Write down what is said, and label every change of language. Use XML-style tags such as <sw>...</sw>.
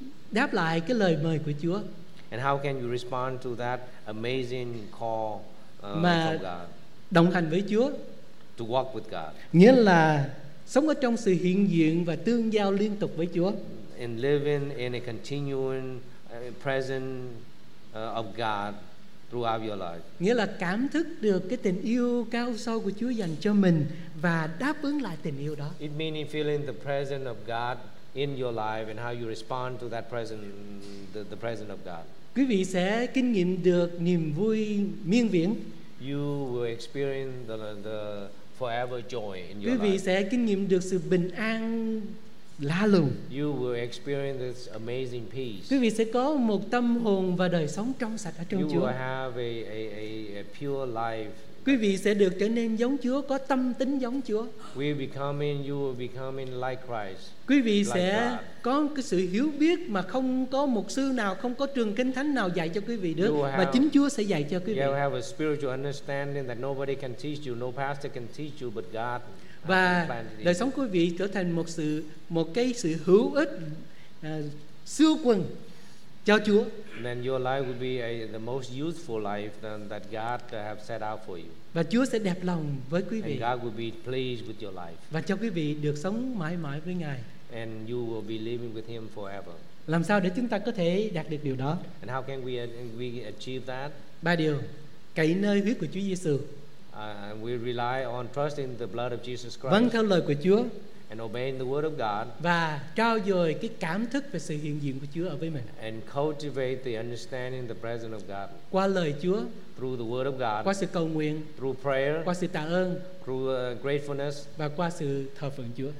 <vi>Đáp lại cái lời mời của Chúa.</vi> <en>And how can you respond to that amazing call</en> <vi>mà</vi> <en>from God?</en> <vi>Đồng hành với Chúa.</vi> <en>To walk with God.</en> <vi>Nghĩa là sống ở trong sự hiện diện và tương giao liên tục với Chúa.</vi> <en>In living in a continuing presence of God throughout your life.</en> <vi>Nghĩa là cảm thức được cái tình yêu cao sâu của Chúa dành cho mình và đáp ứng lại tình yêu đó.</vi> <en>It means feeling the presence of God in your life and how you respond to that presence, the presence of God.</en> <vi>Quý vị sẽ kinh nghiệm được niềm vui miên viễn.</vi> <en>You will experience the forever joy in your life.</en> <vi>Quý vị sẽ kinh nghiệm được sự bình an lạ lùng.</vi> <en>You will experience this amazing peace.</en> <vi>Quý vị sẽ có một tâm hồn và đời sống trong sạch ở trong Chúa.</vi> <en>You will have a pure life.</en> <vi>Quý vị sẽ được trở nên giống Chúa, có tâm tính giống Chúa.</vi> <en>You will becoming like Christ.</en> <vi>Quý vị sẽ có cái sự hiểu biết mà không có mục sư nào, không có trường kinh thánh nào dạy cho quý vị được, mà chính Chúa sẽ dạy cho quý vị.</vi> <en>You have a spiritual understanding that nobody can teach you, no pastor can teach you, but God.</en> <vi>Và đời sống quý vị trở thành một cái sự hữu ích siêu quần cho Chúa.</vi> <en>Then your life will be the most useful life that God have set out for you.</en> <vi>Và Chúa sẽ đẹp lòng với quý vị.</vi> <en>And God will be pleased with your life.</en> <vi>Và cho quý vị được sống mãi mãi với Ngài.</vi> <en>And you will be living with Him forever.</en> <vi>Làm sao để chúng ta có thể đạt được điều đó?</vi> <en>And how can we achieve that?</en> <vi>Ba điều: cậy nơi huyết của Chúa Giêsu.</vi> <en>We rely on trusting the blood of Jesus Christ.</en> <vi>Vâng theo lời của Chúa.</vi> <en>And obeying the word of God.</en> <vi>Và trao dồi cái cảm thức về sự hiện diện của Chúa ở với mình.</vi> <en>And cultivate the understanding the presence of God.</en> <vi>Qua lời Chúa.</vi> <en>Through the word of God.</en> <vi>Qua sự cầu nguyện.</vi> <en>Through prayer.</en> <vi>Qua sự tạ ơn.</vi> <en>Through gratefulness.</en> <vi>Và qua sự thờ phượng Chúa.</vi>